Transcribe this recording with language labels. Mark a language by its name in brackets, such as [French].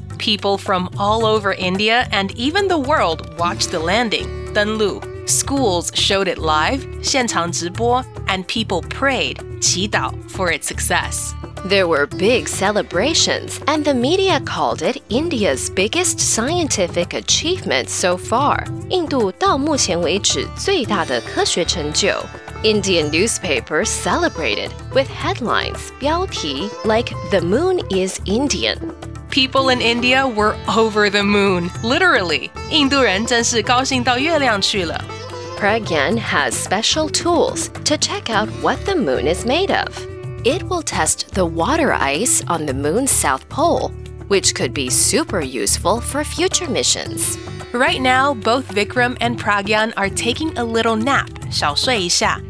[English] People from all over India and even the world watched the landing, [Chinese] 登陆, [English] schools showed it live, [Chinese] 现场直播, [English] and people prayed, [Chinese] 祈祷, [English] for its success. There were big celebrations, and the media called it India's biggest scientific achievement so far. [Chinese] 印度到目前为止最大的科学成就。 [English] Indian newspapers celebrated with headlines, [Chinese] 标题, [English] like The Moon is Indian. People in India were over the moon, literally. [Chinese] 印度人真是高兴到月亮去了。 [English] Pragyan has special tools to check out what the moon is made of. It will test the water ice on the moon's south pole, which could be super useful for future missions. Right now, both Vikram and Pragyan are taking a little nap, [Chinese] 小睡一下。